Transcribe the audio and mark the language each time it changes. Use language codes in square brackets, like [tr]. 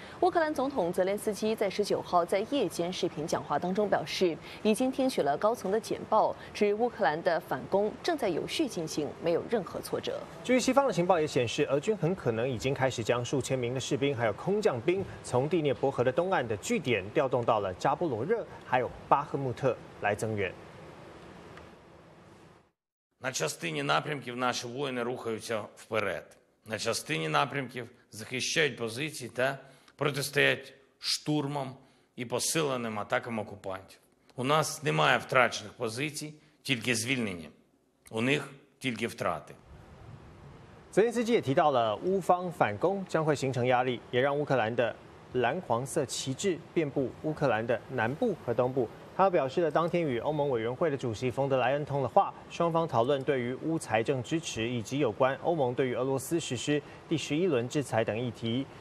[zh] 乌克兰总统泽连斯基在19号在夜间视频讲话当中表示，已经听取了高层的简报，指乌克兰的反攻正在有序进行，没有任何挫折。据西方的情报也显示，俄军很可能已经开始将数千名的士兵还有空降兵从第聂伯河的东岸的据点调动到了扎波罗热还有巴赫穆特来增援。 [uk] На частині напрямків наші воїни рухаються вперед. На частині напрямків захищають позиції та протистоять штурмам і посиленим атакам окупантів. У нас немає втрачених позицій, тільки звільнення. У них тільки втрати. [zh] 泽连斯基也提到了，乌方反攻将会形成压力，也让乌克兰的蓝黄色旗帜遍布乌克兰的南部和东部。他表示了当天与欧盟委员会的主席冯德莱恩通了话，双方讨论对于乌财政支持以及有关欧盟对于俄罗斯实施第11轮制裁等议题。